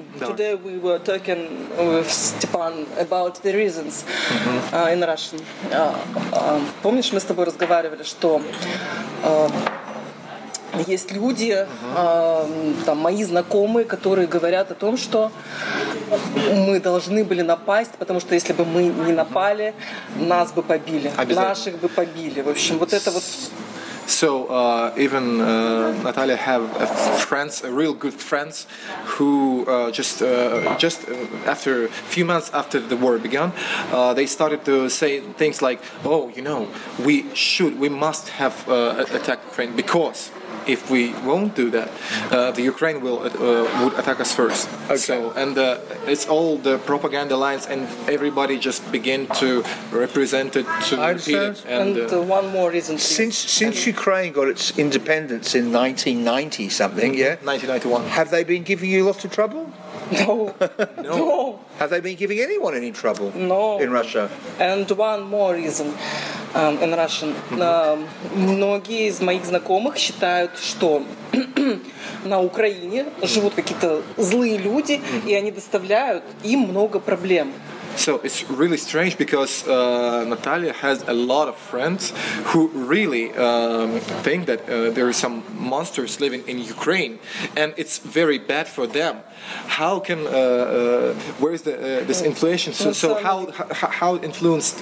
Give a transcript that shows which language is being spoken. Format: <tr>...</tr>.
<en>Today we were talking with Степан about the reasons in Russian.</en> <ru>Помнишь, мы с тобой разговаривали, что... Есть люди, там, мои знакомые, которые говорят о том, что мы должны были напасть, потому что если бы мы не напали, нас бы побили, наших бы побили. В общем, вот это вот...</ru> <en>So even Natalia have friends, real good friends, who just after a few months after the war began, they started to say things like, oh, you know, we must have attacked Ukraine because... If we won't do that, the Ukraine would attack us first. Okay. So, and it's all the propaganda lines, and everybody just begin to represent it to repeat it. And one more reason. Please. Since Ukraine got its independence in 1990 something, mm-hmm. yeah, 1991. Have they been giving you lots of trouble? No. No. No. Have they been giving anyone any trouble? No. In Russia. And one more reason. In Russian.</en> <ru>Многие из моих знакомых считают, что на Украине живут какие-то злые люди, и они доставляют им много проблем.</ru> <en>So it's really strange because Natalia has a lot of friends who really think that there are some monsters living in Ukraine, and it's very bad for them. How can where is the this inflation? So how influenced?</en>